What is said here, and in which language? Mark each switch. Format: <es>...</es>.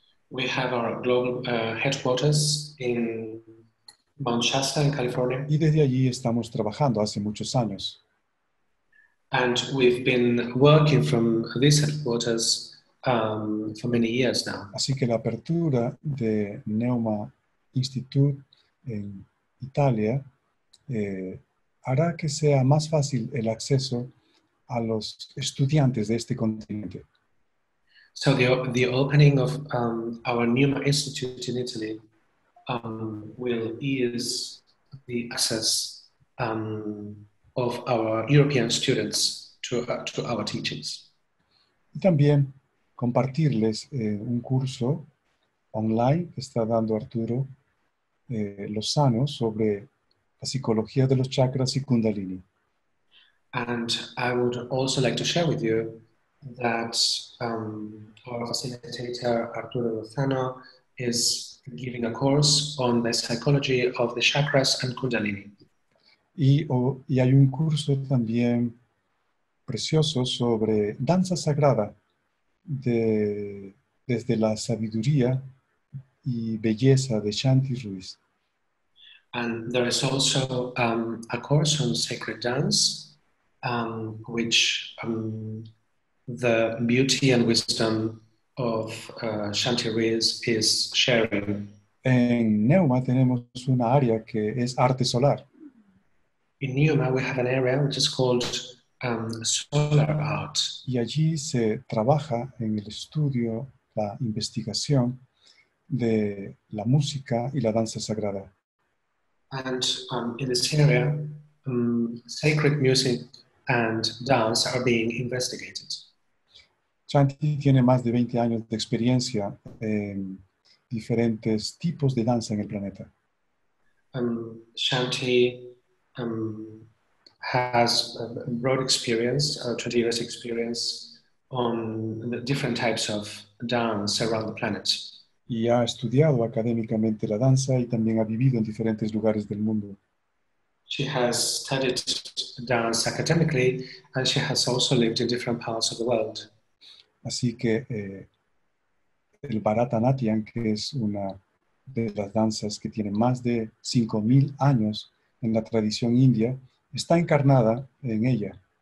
<en>We have our global headquarters in Mount Shasta, in California.</en> <es>Y desde allí estamos trabajando hace muchos años.</es> <en>And we've been working from these headquarters for many years now.</en> <es>Así que la apertura de Neuma Institute en Italia hará que sea más fácil el acceso a los estudiantes de este continente.</es> <en>So the opening of our Neuma Institute in Italy will ease the access of our European students to our teachings.</en> <es>Y también compartirles un curso online que está dando Arturo Lozano sobre la psicología de los chakras y Kundalini.</es> <en>And I would also like to share with you that our facilitator Arturo Lozano is giving a course on the psychology of the chakras and Kundalini.</en> <es>Y hay un curso también precioso sobre danza sagrada desde la sabiduría y belleza de Shanti Ruiz.</es> <en>And there is also a course on sacred dance, which the beauty and wisdom of Shanti Ruiz is sharing.</en> <es>En Neuma tenemos una área que es arte solar.</es> <en>In Neuma we have an area which is called solar art.</en> <es>Y allí se trabaja en el estudio, la investigación de la música y la danza sagrada.</es> <en>And in this area, sacred music and dance are being investigated.</en> <es>Shanti tiene más de 20 años de experiencia en diferentes tipos de danza en el planeta.</es> <en>Shanti has broad experience, 20 years experience on the different types of dance around the planet.</en> <es>Y ha estudiado académicamente la danza y también ha vivido en diferentes lugares del mundo.</es> <en>She has studied dance academically and she has also lived in different parts of the world.</en> <es>Así que el Bharatanatyam, que es una de las danzas que tiene más de 5.000 años en la tradición india, está encarnada en ella.</es>